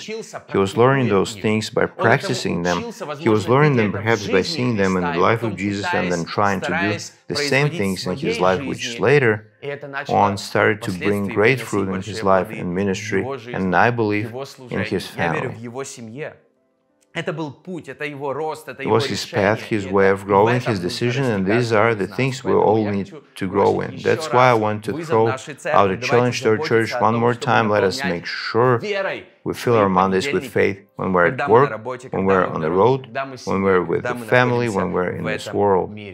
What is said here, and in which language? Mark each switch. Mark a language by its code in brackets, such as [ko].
[en] He was learning those things by practicing them. He was learning them perhaps by seeing them in the life of Jesus and then trying to do the same things in his life, which later on started to bring great fruit in his life and ministry, and I believe in his family. [ru] Это был путь, это его рост, это его решение. [en] It was his path, his way of growing, his decision, and these are the things we all need to grow in. That's why I want to throw out a challenge to our church one more time. Let us make sure we fill our Mondays with faith when we're at work, when we're on the road, when we're with the family, when we're in this world.